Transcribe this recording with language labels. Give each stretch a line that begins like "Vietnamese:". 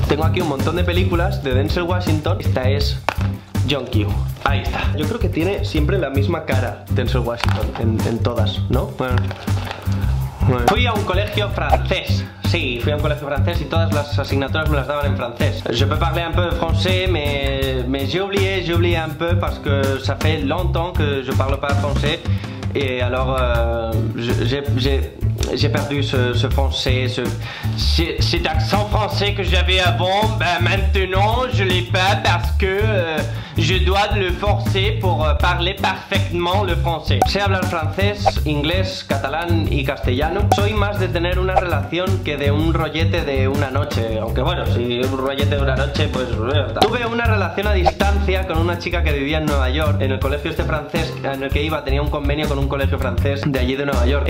Spanish: Tengo aquí un montón de películas de Denzel Washington. Esta es John Q. Ahí está. Yo creo que tiene siempre la misma cara Denzel Washington en todas, ¿no? Bueno. Fui a un colegio francés. Sí, fui a un colegio francés y todas las asignaturas me las daban en francés.
French: Je peux parler un peu français, mais j'oublie un peu parce que ça fait longtemps que je parle pas français. Et alors, j'ai perdu ce français, cet accent français que j'avais avant. Ben maintenant, je l'ai pas parce que je dois le forcer pour parler parfaitement le français.
Spanish: Sé hablar francés, inglés, catalán y castellano. Soy más de tener una relación que de un rollete de una noche. Aunque bueno, si un rollete de una noche, pues... Tuve una relación a distancia con una chica que vivía en Nueva York. En el colegio este francés en el que iba tenía un convenio con un colegio francés de allí de Nueva York.